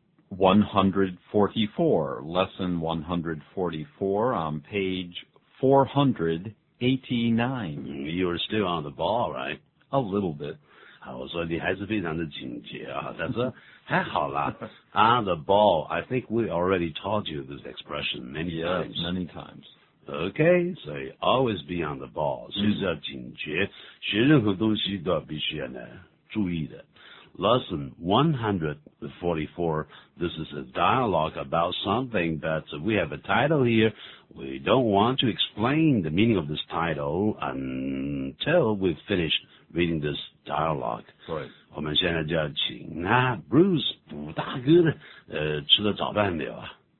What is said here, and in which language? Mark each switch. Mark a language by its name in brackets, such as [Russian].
[English] 144, lesson 144 on page 489. You're still on the ball, right? A little bit. [Chinese] 我说你还是非常的警觉啊，但是还好啦。 [English] On the ball, I think we already taught you this expression many times. Okay, so always be on the ball. [Chinese] 随时要警觉，学任何东西都要必须要呢注意的。 [English] Lesson 144, this is a dialogue about something, but we have a title here. We don't want to explain the meaning of this title until we've finished reading this dialogue. Right. [Chinese] 我们现在就要请啊 ,Bruce, 补大哥的吃了早饭没有啊？